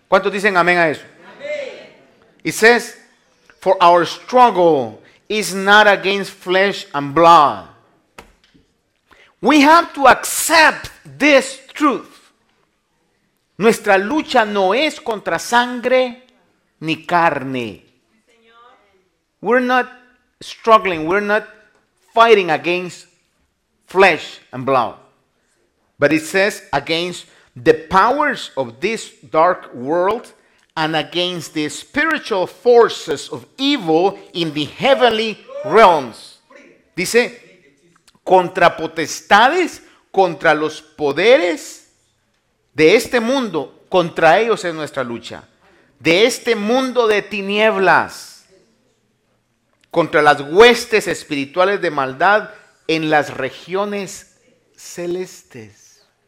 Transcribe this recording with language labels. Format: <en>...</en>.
<es>¿Cuántos dicen amén a eso? Amén.</es> <en>It says, for our struggle is not against flesh and blood. We have to accept this truth.</en> <es>Nuestra lucha no es contra sangre ni carne.</es> <en>We're not struggling. We're not fighting against flesh and blood. But it says against the powers of this dark world and against the spiritual forces of evil in the heavenly realms.</en> <es>Dice contra potestades, contra los poderes de este mundo, contra ellos es nuestra lucha. De este mundo de tinieblas, contra las huestes espirituales de maldad en las regiones celestes.</es>